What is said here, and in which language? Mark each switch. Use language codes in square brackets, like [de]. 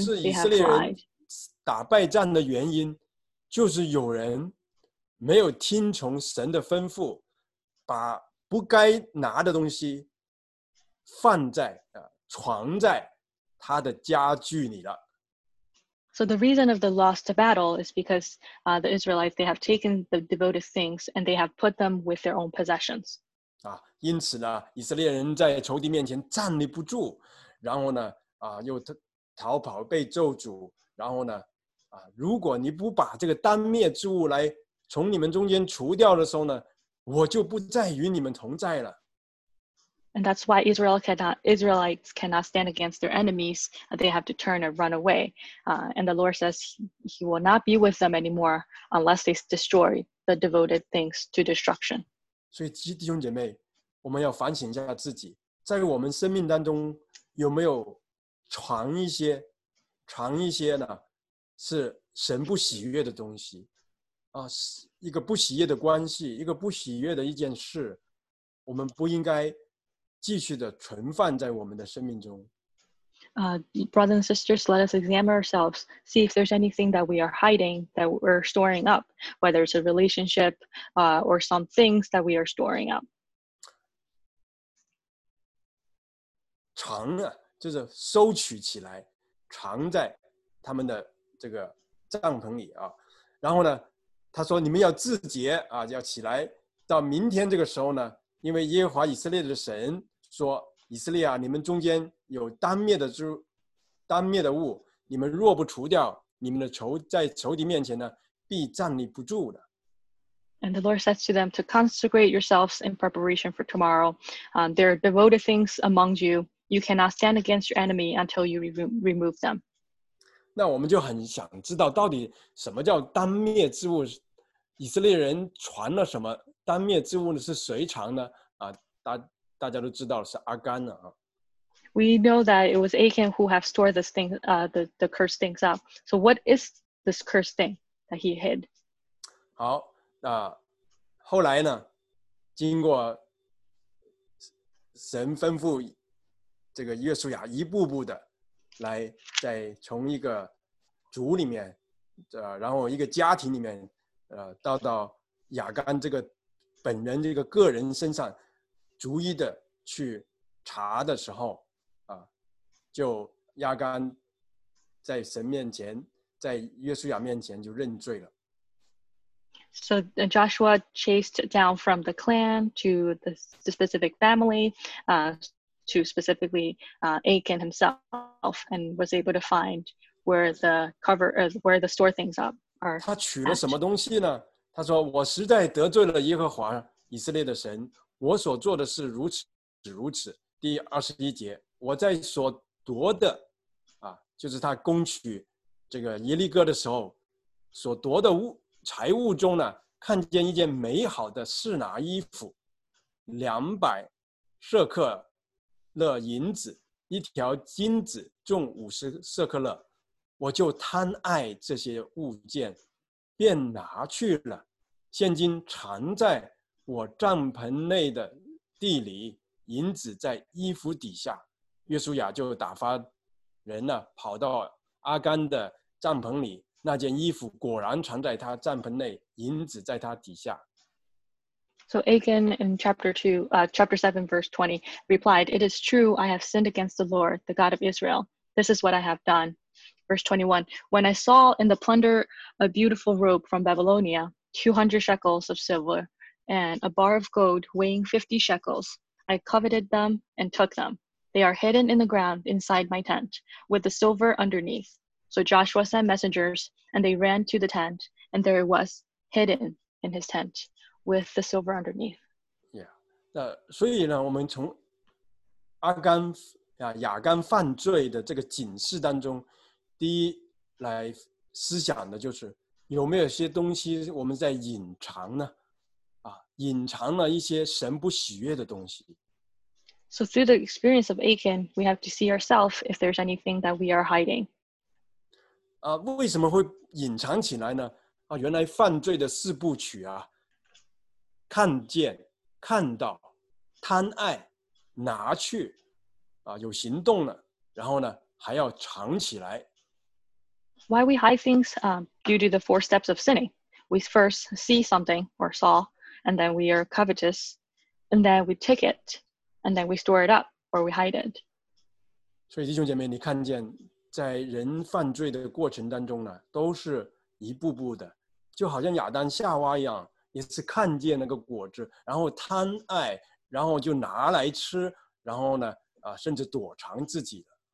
[zh] 所以导致以色列人打败仗的原因就是有人没有听从神的吩咐，把不该拿的东西放在，藏在他的家具里了。 [en] So the reason of the lost battle is because the Israelites, they have taken the devoted things and they have put them with their own possessions. [zh] 因此呢，以色列人在仇敌面前站立不住，然后呢，又逃跑被咒诅，然后呢，如果你不把这个当灭之物来从你们中间除掉的时候呢，我就不再与你们同在了。 [en] And that's why Israelites cannot stand against their enemies. They have to turn and run away. And the Lord says he will not be with them anymore unless they destroy the devoted things to destruction. [zh] 所以弟兄姐妹，我们要反省一下自己，在我们生命当中有没有藏一些呢？是神不喜悦的东西，啊，一个不喜悦的关系，一个不喜悦的一件事，我们不应该继续的存放在我们的生命中。 [en] Brothers and sisters, let us examine ourselves, see if there's anything that we are hiding, that we're storing up, whether it's a relationship, or some things that we are storing up. [zh] 藏啊，就是收取起来，藏在他们的这个帐篷里啊。然后呢，他说你们要自洁啊，要起来，到明天这个时候呢，因为耶和华以色列的神说，以色列啊，你们中间有当灭的物，你们若不除掉，你们的仇在仇敌面前呢，必站立不住的。 [en] And the Lord says to them to consecrate yourselves in preparation for tomorrow. There are devoted things among you. You cannot stand against your enemy until you remove them. [zh] 那我们就很想知道，到底什么叫当灭之物？以色列人传了什么当灭之物呢？是谁藏呢？啊，大家都知道是阿甘了啊。 [en] We know that it was Achan who have stored this thing, the cursed things up. So what is this cursed thing that he hid? [zh] 好，那后来呢？经过神吩咐，这个约书亚一步步的来，再从一个族里面，然后一个家庭里面，到亚甘这个本人这个个人身上，逐一的去查的时候。就亚干在神面前，在约书亚面前就认罪了。 [en] So Joshua chased down from the clan to the specific family, to specifically Achan himself, and was able to find where the cover, where the store things up are. [zh] 他取了什么东西呢？他说：“我实在得罪了耶和华以色列的神，我所做的是如此如此。” 第二十一节，我在所夺的啊，就是他攻取这个耶利哥的时候所夺的物财物中呢，看见一件美好的示拿衣服，200舍克勒银子，一条金子重50舍克勒，我就贪爱这些物件，便拿去了。现今藏在我帐篷内的地里，银子在衣服底下。约书亚就打发人呢，跑到阿甘的帐篷里，那件衣服果然藏在他帐篷内，银子在他底下。 [en] So Achan in chapter 7, verse 20 replied, "It is true, I have sinned against the Lord, the God of Israel. This is what I have done." Verse 21, "When I saw in the plunder a beautiful robe from Babylonia, 200 shekels of silver, and a bar of gold weighing 50 shekels, I coveted them and took them. They are hidden in the ground inside my tent, with the silver underneath." So Joshua sent messengers, and they ran to the tent, and there it was, hidden in his tent, with the silver underneath. Yeah. [zh] 所以呢，我们从阿甘啊亚甘犯罪的这个警示当中，第一来思想的就是有没有些东西我们在隐藏呢？啊，隐藏了一些神不喜悦的东西。 [en] So through the experience of Achan, we have to see ourselves if there's anything that we are hiding. [zh] 为什么会隐藏起来呢？啊，原来犯罪的四部曲啊，看见、看到、贪爱、拿去，啊，有行动了，然后呢，还要藏起来。 [en] Why we hide things? Due to the four steps of sinning. We first see something or saw, and then we are covetous, and then we take it. And then we store it up, or we hide it. [zh] 所以弟兄姐妹，你看见在人犯罪的过程当中呢，都是一步步的，就好像亚当夏娃一样，也是看见那个果子，然后贪爱，然后就拿来吃，然后呢，甚至躲藏自己。